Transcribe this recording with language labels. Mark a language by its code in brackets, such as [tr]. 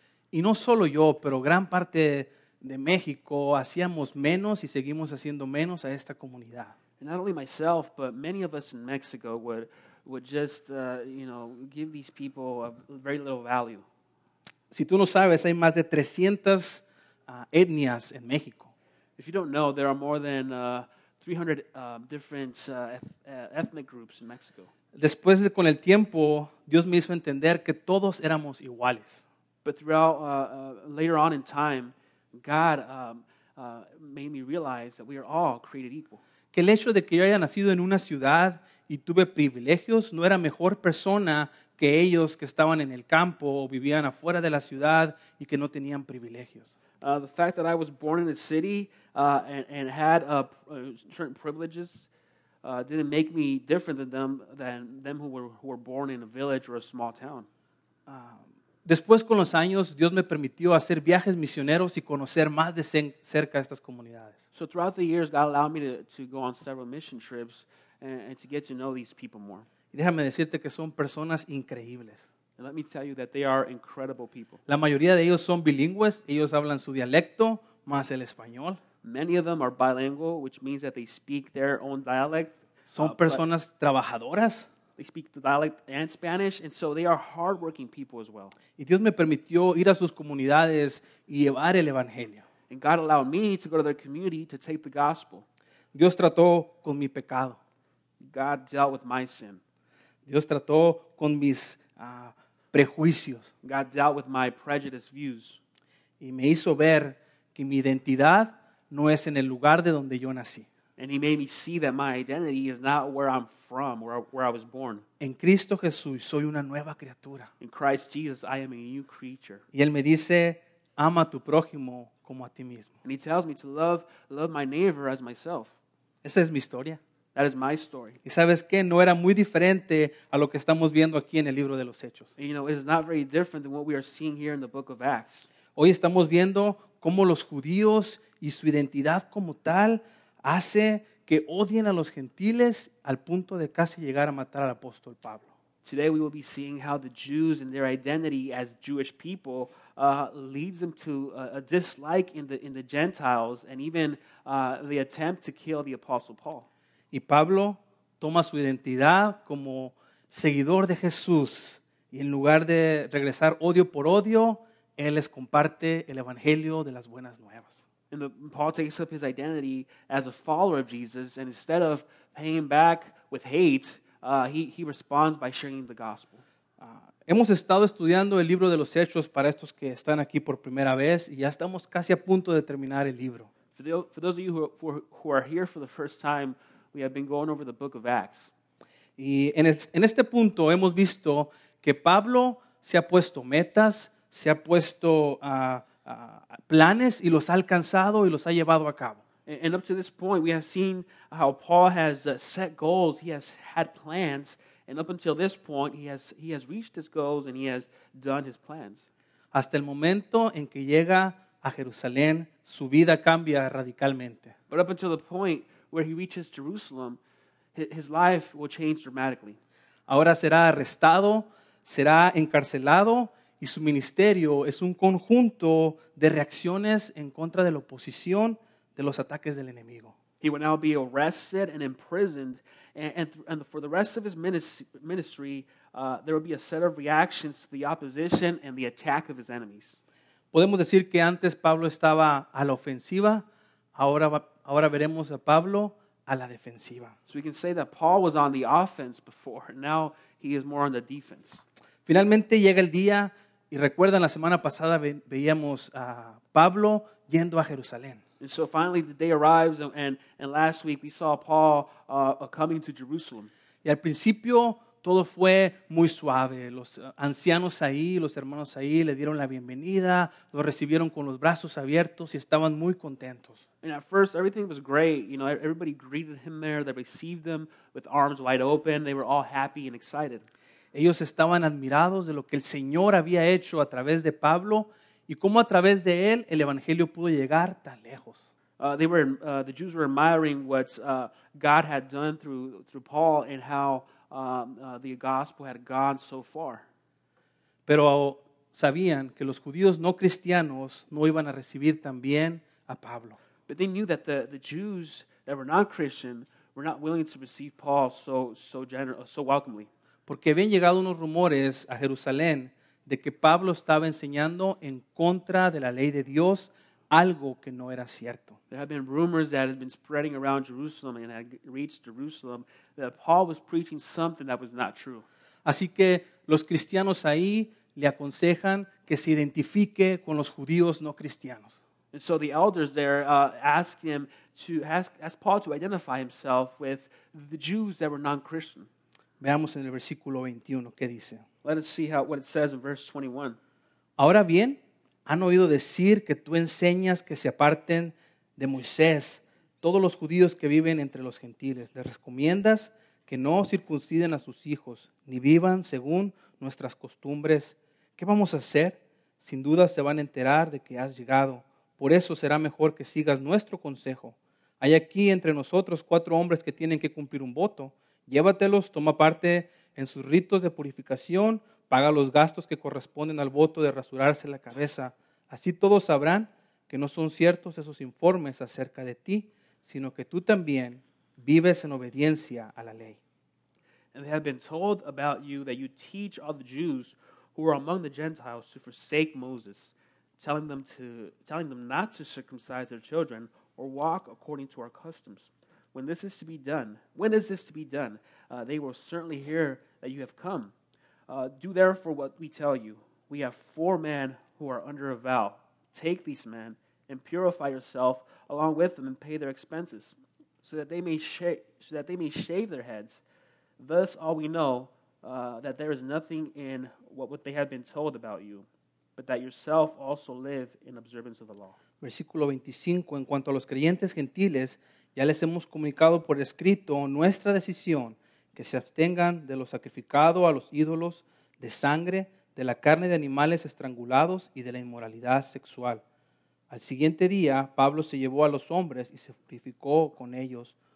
[es] Y no solo yo, pero gran parte de México hacíamos menos y seguimos haciendo menos a esta comunidad. [en] And not only myself, but many of us in Mexico would just give these people a very little value. [es] Si tú no sabes, hay más de 300 etnias en México. [en] If you don't know, there are more than 300 different ethnic groups in Mexico. [es] Después de con el tiempo, Dios me hizo entender que todos éramos iguales. [en] But throughout, later on in time, God made me realize that we are all created equal. [es] Que el hecho de que yo haya nacido en una ciudad y tuve privilegios no era mejor persona que ellos que estaban en el campo o vivían afuera de la ciudad y que no tenían privilegios. [en] The fact that I was born in a city and had certain privileges didn't make me different than them who were born in a village or a small town. [es] Después con los años, Dios me permitió hacer viajes misioneros y conocer más de cerca estas comunidades. [en] So throughout the years, God allowed me to go on several mission trips and to get to know these people more. [es] Déjame decirte que son personas increíbles. [en] Let me tell you that they are incredible people. [es] La mayoría de ellos son bilingües. Ellos hablan su dialecto más el español. [en] Many of them are bilingual, which means that they speak their own dialect. [es] Son personas trabajadoras. [en] They speak the dialect and Spanish, and so they are hardworking people as well. [es] Y Dios me permitió ir a sus comunidades y llevar el evangelio. [en] And God allowed me to go to their community to take the gospel. [es] Dios trató con mi pecado. [en] God dealt with my sin. [es] Dios trató con mis prejuicios. [en] God dealt with my prejudiced views. [es] Y me hizo ver que mi identidad no es en el lugar de donde yo nací. [en] And he made me see that my identity is not where I'm from, where I was born. [es] En Cristo Jesús soy una nueva criatura. [en] In Christ Jesus, I am a new creature. [es] Y él me dice, ama a tu prójimo como a ti mismo. [en] And he tells me to love my neighbor as myself. [es] Esa es mi historia. [en] That is my story. [es] Y sabes qué, no era muy diferente a lo que estamos viendo aquí en el libro de los Hechos. [en] And you know, it is not very different than what we are seeing here in the book of Acts. [es] Hoy estamos viendo cómo los judíos y su identidad como tal hace que odien a los gentiles al punto de casi llegar a matar al apóstol Pablo. [en] Today we will be seeing how the Jews and their identity as Jewish people leads them to a dislike in the Gentiles and even the attempt to kill the apostle Paul. [es] Y Pablo toma su identidad como seguidor de Jesús y en lugar de regresar odio por odio, él les comparte el evangelio de las buenas nuevas. [en] And Paul takes up his identity as a follower of Jesus, and instead of paying back with hate, he responds by sharing the gospel. [es] Hemos estado estudiando el libro de los Hechos para estos que están aquí por primera vez, y ya estamos casi a punto de terminar el libro. [en] For those of you who are here for the first time, we have been going over the book of Acts. [es] Y en este punto hemos visto que Pablo se ha puesto metas, se ha puesto planes y los ha alcanzado y los ha llevado a cabo. [en] And up to this point, we have seen how Paul has set goals. He has had plans. And up until this point, he has reached his goals and he has done his plans. [es] Hasta el momento en que llega a Jerusalén, su vida cambia radicalmente. [en] But up until the point where he reaches Jerusalem, his life will change dramatically. [es] Ahora será arrestado, será encarcelado, y su ministerio es un conjunto de reacciones en contra de la oposición, de los ataques del enemigo. [en] He will now be arrested and imprisoned, and for the rest of his ministry, there will be a set of reactions to the opposition and the attack of his enemies. [es] Podemos decir que antes Pablo estaba a la ofensiva, ahora veremos a Pablo a la defensiva. [en] So we can say that Paul was on the offense before, now he is more on the defense. [es] Finalmente llega el día, y recuerdan la semana pasada veíamos a Pablo yendo a Jerusalén. [en] And so finally the day arrives, and last week we saw Paul coming to Jerusalem. [es] Y al principio todo fue muy suave. Los ancianos ahí, los hermanos ahí le dieron la bienvenida, lo recibieron con los brazos abiertos y estaban muy contentos. [en] And at first everything was great. You know, everybody greeted him there, they received him with arms wide open, they were all happy and excited. [es] Ellos estaban admirados de lo que el Señor había hecho a través de Pablo y cómo a través de él el evangelio pudo llegar tan lejos. [en] The Jews were admiring what God had done through Paul and how the gospel had gone so far. [es] Pero sabían que los judíos no cristianos no iban a recibir tan bien a Pablo. [en] But they knew that the Jews that were not Christian were not willing to receive Paul so welcomely. [es] Porque habían llegado unos rumores a Jerusalén de que Pablo estaba enseñando en contra de la ley de Dios, algo que no era cierto. [en] There have been rumors that had been spreading around Jerusalem and had reached Jerusalem that Paul was preaching something that was not true. [es] Así que los cristianos ahí le aconsejan que se identifique con los judíos no cristianos. [en] And so the elders there ask Paul to identify himself with the Jews that were non-Christian. [es] Veamos en el versículo 21 qué dice. [en] Let us see what it says in verse 21. [es] Ahora bien, han oído decir que tú enseñas que se aparten de Moisés todos los judíos que viven entre los gentiles. Les recomiendas que no circunciden a sus hijos ni vivan según nuestras costumbres. ¿Qué vamos a hacer? Sin duda se van a enterar de que has llegado. Por eso será mejor que sigas nuestro consejo. Hay aquí entre nosotros cuatro hombres que tienen que cumplir un voto. Llévatelos, toma parte en sus ritos de purificación, paga los gastos que corresponden al voto de rasurarse la cabeza. Así todos sabrán que no son ciertos esos informes acerca de ti, sino que tú también vives en obediencia a la ley. [en] And they have been told about you that you teach all the Jews who are among the Gentiles to forsake Moses, telling them not to circumcise their children or walk according to our customs. when this is to be done? When is this to be done? They will certainly hear that you have come. Do therefore what we tell you. We have four men who are under a vow. Take these men and purify yourself along with them and pay their expenses so that they may shave their heads. Thus all we know that there is nothing in what they have been told about you, but that yourself also live in observance of the law. [es] Versículo 25, en cuanto a los creyentes gentiles, ya les hemos comunicado por escrito nuestra decisión que se abstengan de lo sacrificado a los ídolos de sangre, de la carne de animales estrangulados y de la inmoralidad sexual. Al siguiente día, Pablo se llevó a los hombres y se purificó con ellos.